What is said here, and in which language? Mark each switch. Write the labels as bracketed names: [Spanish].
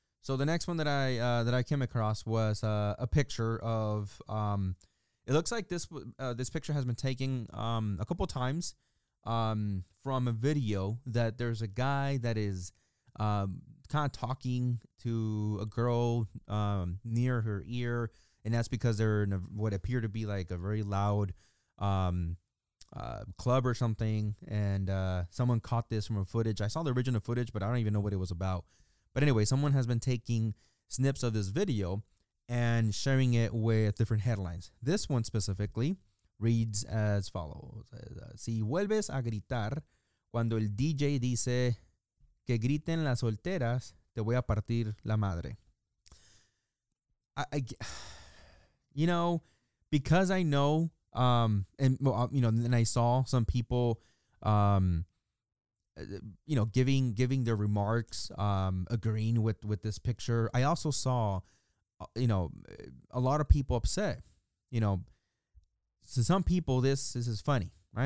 [English] So the next one that I came across was a picture of it looks like this picture has been taken a couple times from a video that there's a guy that is kind of talking to a girl near her ear, and that's because they're in what appear to be like a very loud club or something, and someone caught this from a footage. I saw the original footage, but I don't even know what it was about. But anyway, someone has been taking snips of this video and sharing it with different headlines. This one specifically reads as follows. [Spanish] Si vuelves a gritar cuando el DJ dice que griten las solteras, te voy a partir la madre. [English] You know, because I know and I saw some people, you know, giving their remarks, agreeing with this picture. I also saw, you know, a lot of people upset, you know, to some people, this is funny, right?